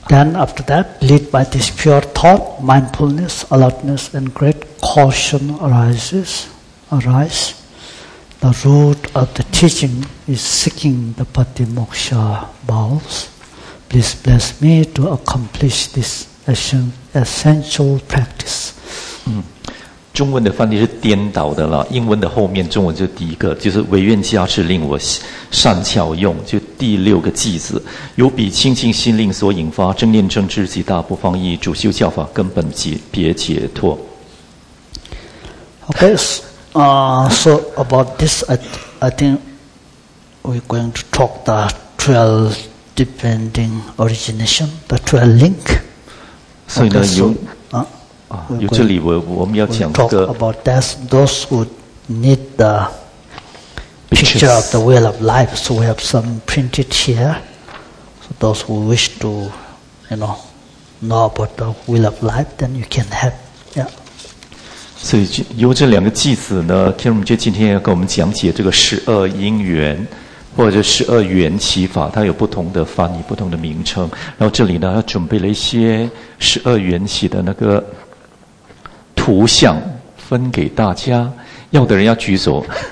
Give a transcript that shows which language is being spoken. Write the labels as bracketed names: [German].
[English] Then after that lead by this pure thought mindfulness alertness and great caution arise the root of the teaching is seeking the Patimoksha vows please bless me to accomplish this essential practice、 [Chinese] 中文的翻译是颠倒的了，英文的后面中文就第一个就是唯愿加持令我善巧用，就第六个偈子，由彼清净心令所引发正念正知及大不放逸，主修教法根本别解脱。 [English] Okay, so about this, I think we're going to talk the 12 depending origination, the 12 link. So, okay, so. [Chinese] 有这里我们要讲这个 [English] talk about that, those who need the picture of the wheel of life, so we have some printed here. So those who wish to, know about the wheel of life, then you can have, yeah. [Chinese] 所以由这两个偈子呢，天龙觉今天要跟我们讲解这个十二因缘。或者十二缘起法，它有不同的翻译、不同的名称。然后这里呢，它准备了一些十二缘起的那个图像，分给大家。要的人要举手。